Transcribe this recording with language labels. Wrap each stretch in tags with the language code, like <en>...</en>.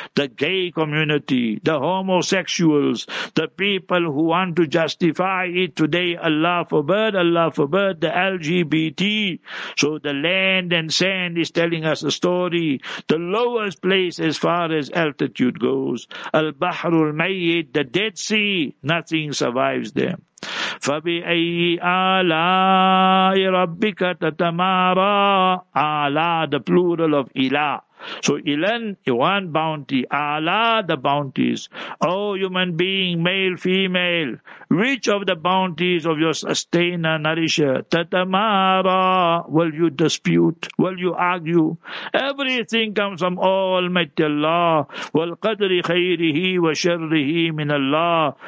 <en>The gay community, the homosexuals, the people who want to justify it today, Allah forbid, the LGBT. So the land and sand is telling us a story. The lowest place as far as altitude goes, Al Bahrul Mayyit, the Dead Sea, nothing survives there.</en> <ar>فَبِأَيِّ آلَاءِ رَبِّكَ تَتَمَارَى آلَاء,</ar> <en>the plural of</en> <ar>إِلَاء.</ar> <en>So ilan, one bounty, Allah, the bounties. Oh, human being, male, female, which of the bounties of your sustainer, nourisher, tatamara, will you dispute, will you argue? Everything comes from Almighty Allah.</en> <ar>Wal qadri khayrihi wa sharrihi min Allah.</ar>